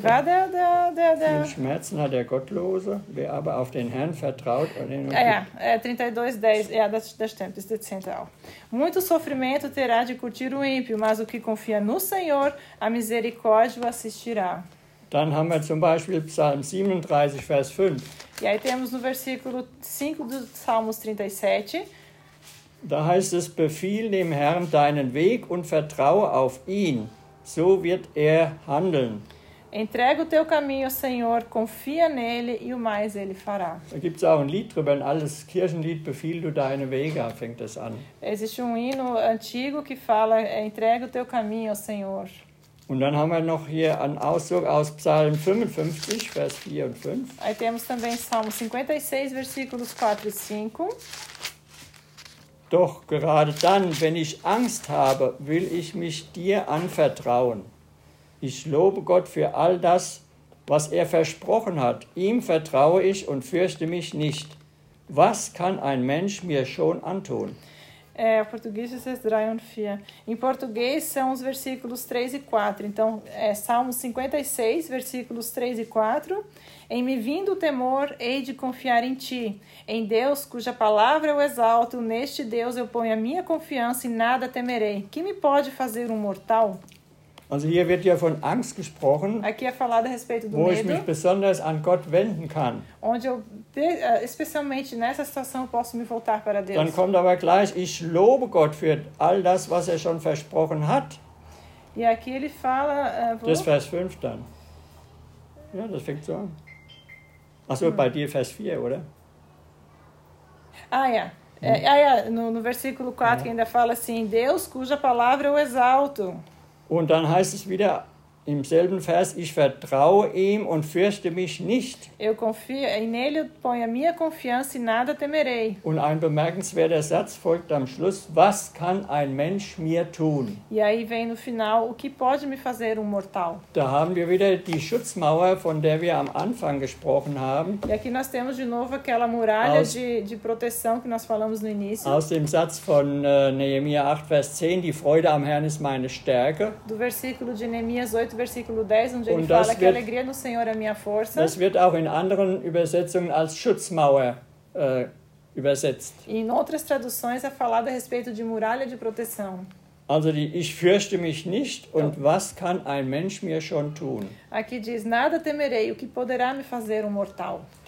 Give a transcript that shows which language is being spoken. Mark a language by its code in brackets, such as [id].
[de] Viel Schmerzen hat der Gottlose, wer aber auf den Herrn vertraut. Ja, 32:10, das stimmt auch. [pt] Muito sofrimento terá de curtir o ímpio, mas o que confia no Senhor, a misericórdia o assistirá. [de] Dann haben wir zum Beispiel Psalm 37, Vers 5. [pt] E aí temos no versículo 5 do Salmos 37. [de] Da heißt es, befiehl dem Herrn deinen Weg und vertraue auf ihn. So wird er handeln. [pt] Entrega o teu caminho, Senhor, confia nele e o mais ele fará. [de] Da gibt's auch ein Lied drüber, ein altes Kirchenlied, befiehl du deine Wege, fängt es an. [pt] Existe um hino antigo que fala, entrega o teu caminho, Senhor. [de] Und dann haben wir noch hier einen Auszug aus Psalm 55, Vers 4 und 5. [pt] Aí temos também Salmo 56, versículos 4 e 5. [de] Doch gerade dann, wenn ich Angst habe, will ich mich dir anvertrauen. Ich lobe Gott für all das, was er versprochen hat. Ihm vertraue ich und fürchte mich nicht. Was kann ein Mensch mir schon antun? [pt] É, o português diz 3 e 4. Em português são os versículos 3 e 4. Então, é Salmo 56, versículos 3 e 4. Em me vindo o temor, hei de confiar em ti. Em Deus, cuja palavra eu exalto, neste Deus eu ponho a minha confiança e nada temerei. Que me pode fazer um mortal? [de] Also hier wird ja von Angst gesprochen, [pt] aqui é falado a respeito do [de] wo [pt] medo, [de] ich mich besonders an Gott wenden kann. [pt] Onde eu, especialmente nessa situação, posso me voltar para Deus. [de] Dann kommt aber gleich, ich lobe Gott für all das, was er schon versprochen hat. [pt] E aqui ele fala, [de] das ist Vers 5 dann. Ja, das fängt so an. Achso, bei dir Vers 4, oder? Ah ja. [pt] No versículo 4 que ainda fala assim, Deus cuja palavra eu exalto. [de] Und dann heißt es wieder im selben Vers, ich vertraue ihm und fürchte mich nicht. [pt] Eu confio nele, eu ponho a minha confiança e nada temerei. [de] Und ein bemerkenswerter Satz folgt am Schluss, was kann ein Mensch mir tun? [pt] E aí vem no final, o que pode me fazer um mortal? [de] Da haben wir wieder die Schutzmauer, von der wir am Anfang gesprochen haben. [pt] E aqui nós temos de novo aquela muralha de proteção que nós falamos no início. [de] Aus dem Satz von Nehemia 8, Vers 10, die Freude am Herrn ist meine Stärke. [pt] Do versículo de Nehemias 8, versículo 10, onde ele fala que a alegria no Senhor é minha força. [de] Das wird auch in anderen Übersetzungen als Schutzmauer übersetzt. [pt] In outras traduções é falado a respeito de muralha de proteção. [de] Also die ich fürchte mich nicht und was kann ein Mensch mir schon tun? [pt] Aqui diz nada temerei, o que poderá me fazer um mortal?